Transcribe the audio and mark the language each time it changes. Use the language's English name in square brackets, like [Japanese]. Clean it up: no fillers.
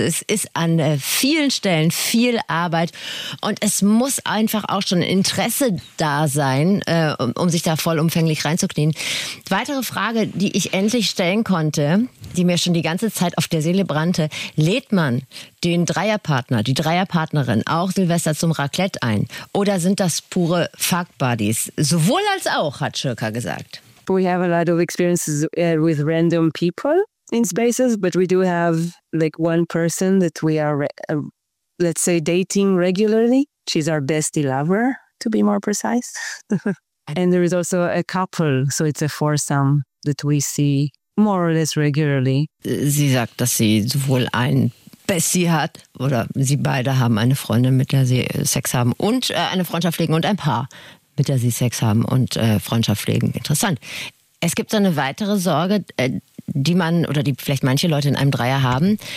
[German] Es ist an vielen Stellen viel Arbeit und es muss einfach auch schon Interesse da sein, um sich da vollumfänglich reinzuknien. Weitere Frage, die ich endlich stellen konnte, die mir schon die ganze Zeit auf der Seele brannte, lädt man den Dreierpartner, die Dreierpartnerin, auch Silvester zum Raclette ein? Oder sind das pure Fuck-Buddies? Sowohl als auch, hat Schirka gesagt. [English] We have a lot of experiences with random people in spaces, but we do have like one person that we are, let's say, dating regularly. She's our bestie lover, to be more precise. And there is also a couple, so it's a foursome that we see more or less regularly. [German] Sie sagt, dass sie sowohl ein Bessie hat, oder sie beide haben eine Freundin, mit der sie Sex haben und eine Freundschaft pflegen und ein Paar, mit der sie Sex haben und Freundschaft pflegen. Interessant. Es gibt so eine weitere Sorge, die vielleicht manche Leute in einem Dreier haben.